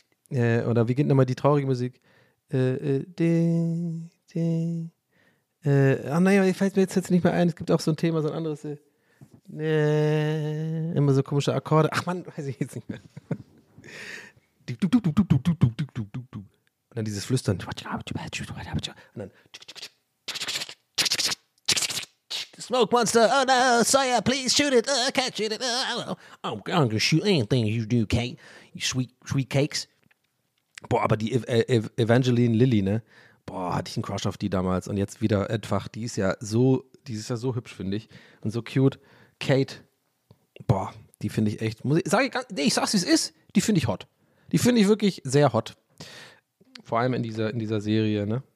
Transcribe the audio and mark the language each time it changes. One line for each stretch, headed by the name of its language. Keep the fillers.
German: Äh, Oder wie geht nochmal die traurige Musik? Äh, äh, di, di. Äh, ach naja, ich fällt mir jetzt, jetzt nicht mehr ein. Es gibt auch so ein Thema, so ein anderes. Äh, äh, immer so komische Akkorde. Ach man, weiß ich jetzt nicht mehr. Du, du, du, du, du, du, du, du, du, du, du. Und dann dieses Flüstern. Und dann.
English: Smoke Monster, oh no, Sawyer, please shoot it, uh, can't shoot it, uh, I'm gonna shoot anything you do, Kate, you sweet, sweet cakes.
German: Boah, aber die Ev Ev Evangeline Lilly, ne? Boah, hatte ich einen Crush auf die damals und jetzt wieder einfach. Die ist ja so, die ist ja so hübsch, finde ich. Und so cute. Kate, boah, die finde ich echt. Muss ich, sag ich, ganz- nee, ich sag's, wie es ist. Die finde ich hot. Die finde ich wirklich sehr hot. Vor allem in dieser, in dieser Serie, ne?